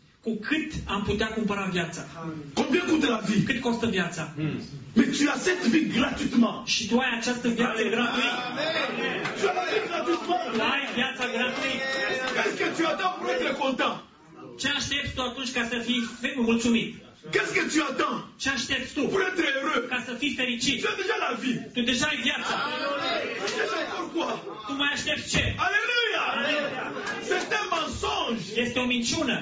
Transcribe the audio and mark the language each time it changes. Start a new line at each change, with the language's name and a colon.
Romanian: Cu cât am putea cumpăra viața?
French: Combien coûte la vie?
Romanian: Cât costă viața?
French: Mais tu as cette vie gratuitement.
Romanian: Și tu ai această viață gratuit.
French: Tu as la vie gratuitement.
Romanian: Ai viața gratuit.
French: Qu'est-ce que tu attends pour être content?
Romanian: Ce aștepți tu atunci ca să fii mulțumit?
French: Qu'est-ce que tu attends?
Romanian: Ce aștepți tu?
French: Pour être heureux.
Romanian: Ca să fii fericit.
French: Tu as déjà la vie.
Romanian: Tu deja ai viața.
French: Pourquoi?
Romanian: Tu mai aștepți ce?
French: Alléluia! C'est un mensonge.
Romanian: Este o minciună.